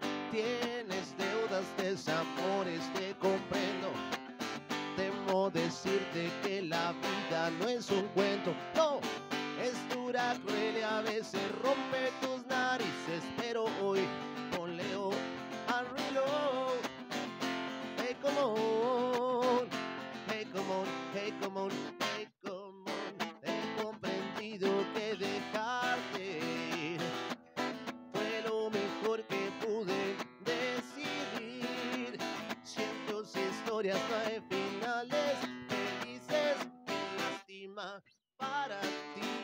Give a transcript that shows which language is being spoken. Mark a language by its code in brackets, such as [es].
[es] Tienes deudas, desamores, te comprendo. Temo decirte que la vida no es un cuento. No, es dura, cruel y a veces rompe tus narices. Pero hoy ponle [en] off and reload. Hey, come on, hey, come on, hey, come on, hey, come on. [es] He comprendido que dejarte ir fue lo mejor que pude decidir. Siento si historias no hay finales felices. Qué lástima para ti.